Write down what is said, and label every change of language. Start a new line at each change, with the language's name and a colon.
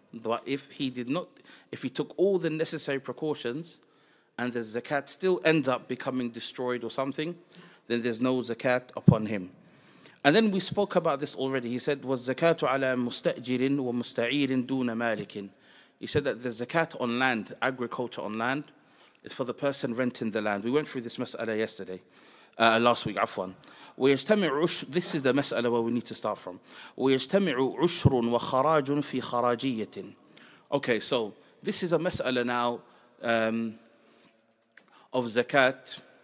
English: But if he took all the necessary precautions and the zakat still ends up becoming destroyed or something, then there's no zakat upon him. And then we spoke about this already.
Arabic: He said, وَالزَّكَاتُ عَلَى مُسْتَأْجِرٍ وَمُسْتَعِيرٍ دُونَ مَالِكٍ.
English: He said that the zakat on land, agriculture on land, is for the person renting the land. We went through this mas'ala yesterday. Last week, Afwan. This is the mas'ala where we need to start from.
Arabic: وَيَجْتَمِعُ عُشْرٌ وَخَرَاجٌ فِي خَرَاجِيَّةٍ.
English: Okay, so this is a mas'ala now of zakat.